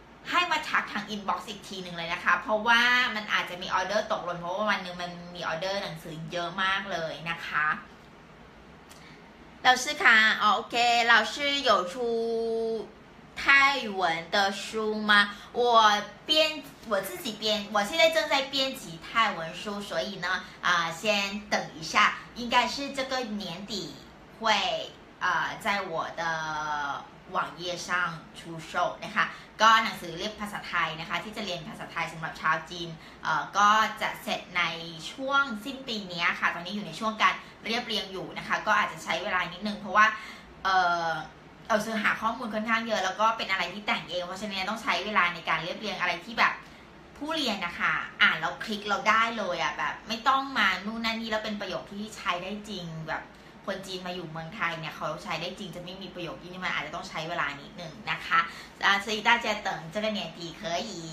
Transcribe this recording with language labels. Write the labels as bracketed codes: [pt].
[th] ให้มาทักทางอินบ็อกซ์อีกทีนึงเลยนะคะเพราะว่ามันอาจจะมีออเดอร์ตกหล่นเพราะว่าวันนึงมันมีออเดอร์หนังสือเยอะมากเลยนะคะเราชื่อค่ะโอเคเราชื่อหยชู [zh] 泰文的书吗？我自己编，我现在正在编辑泰文书，所以呢，先等一下，应该是这个年底会在我的网页上出售นะคะ。 [th] ก็หนังสือเรียนภาษาไทยนะคะที่จะเรียนภาษาไทยสำหรับชาวจีนก็จะเสร็จในช่วงสิ้นปีนี้ค่ะตอนนี้อยู่ในช่วงการเรียบเรียงอยู่นะคะก็อาจจะใช้เวลานิดนึงเพราะว่า เราซื้อหาข้อมูลค่อนข้างเยอะแล้วก็เป็นอะไรที่แต่งเองเพราะฉะนั้นต้องใช้เวลาในการเรียบเรียงอะไรที่แบบผู้เรียนนะคะอ่านแล้วคลิกเราได้เลยอ่ะแบบไม่ต้องมานู่นนั่นนี่แล้วเป็นประโยคที่ใช้ได้จริงแบบคนจีนมาอยู่เมืองไทยเนี่ยเขาใช้ได้จริงจะไม่มีประโยคที่มันอาจจะต้องใช้เวลานิดหนึ่งนะคะซีต้าเจตงเจ้ากันเนี่ยดี [zh] 可以